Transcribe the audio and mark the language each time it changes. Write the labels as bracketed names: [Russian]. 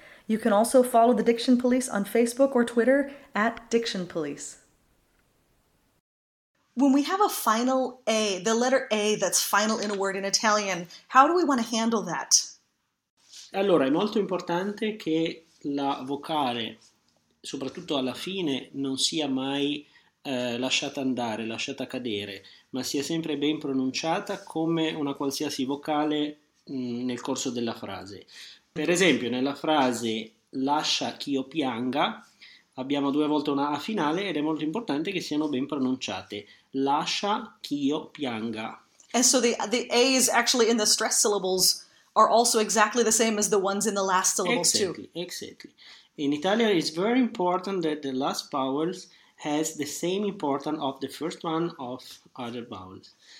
[English] You can also follow the Diction Police on Facebook or Twitter at Diction Police. When we have a final A, the letter A that's final in a word in Italian, how do we want to handle that? [Italian] Allora, è molto importante che la vocale, soprattutto alla fine, non sia mai lasciata andare, lasciata cadere, ma sia sempre ben pronunciata come una qualsiasi vocale nel corso della frase. Per esempio, nella frase lascia che io pianga, abbiamo due volte una A finale ed è molto importante che siano ben pronunciate. Lascia che io pianga. [English] And so the A is actually in the stress syllables are also exactly the same as the ones in the last syllables too. Exactly. In Italian, it's very important that the last vowels has the same importance of the first one of other vowels.